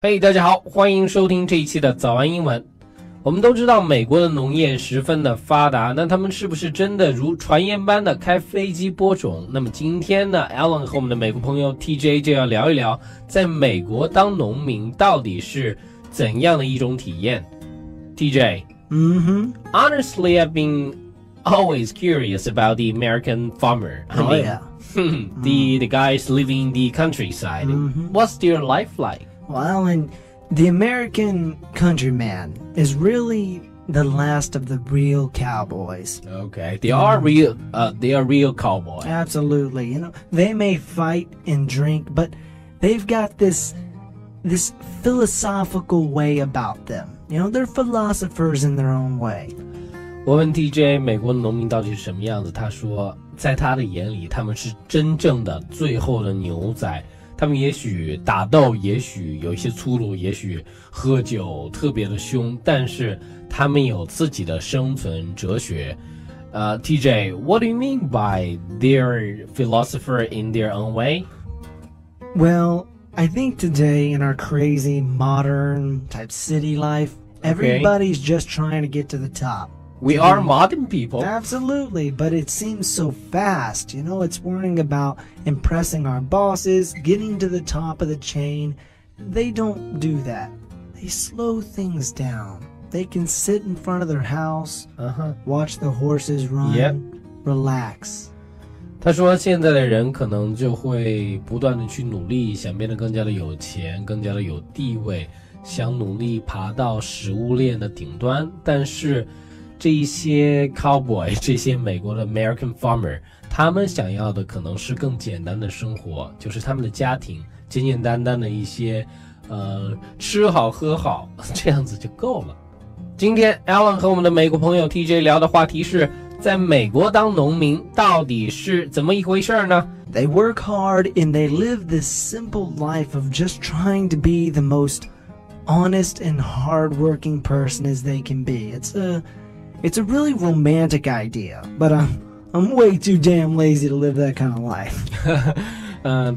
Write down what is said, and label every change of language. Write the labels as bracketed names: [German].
[Chinese] 嘿、hey, 大家好，欢迎收听这一期的早安英文。我们都知道美国的农业十分的发达，那他们是不是真的如传言般的开飞机播种？那么今天呢， Alan 和我们的美国朋友 TJ 就要聊一聊在美国当农民到底是怎样的一种体验。 [English] TJ、Honestly, I've been always curious about the American farmer. The guys living in the countryside. What's their life like? Well, and the American countryman is really the last of the real cowboys. Okay, they are real, they are real cowboys. Absolutely, you know, they may fight and drink, but they've got this philosophical way about them. You know, they're philosophers in their own way. [Chinese] 我问 TJ 美国农民到底是什么样子，他说在他的眼里他们是真正的最后的牛仔。他们也许打斗，也许有一些粗鲁，也许喝酒特别的凶，但是他们有自己的生存哲学。 [English] TJ, what do you mean by their philosopher in their own way? Well, I think today in our crazy modern type city life, everybody's just trying to get to the top. We are modern people. Absolutely, but it seems so fast. You know, it's worrying about impressing our bosses, getting to the top of the chain. They don't do that. They slow things down. They can sit in front of their house, watch the horses run, relax. [Chinese] 他说现在的人可能就会不断地去努力，想变得更加的有钱，更加的有地位，想努力爬到食物链的顶端，但是这些 cowboy, 这些美国的 [English] American farmer, [Chinese] 他们想要的可能是更简单的生活，就是他们的家庭简简单单的一些吃好喝好，这样子就够了。今天 Alan 和我们的美国朋友 TJ 聊的话题是在美国当农民到底是怎么一回事呢？ [English] They work hard and they live this simple life of just trying to be the most honest and hardworking person as they can be. It's a really romantic idea, but I'm way too damn lazy to live that kind of life.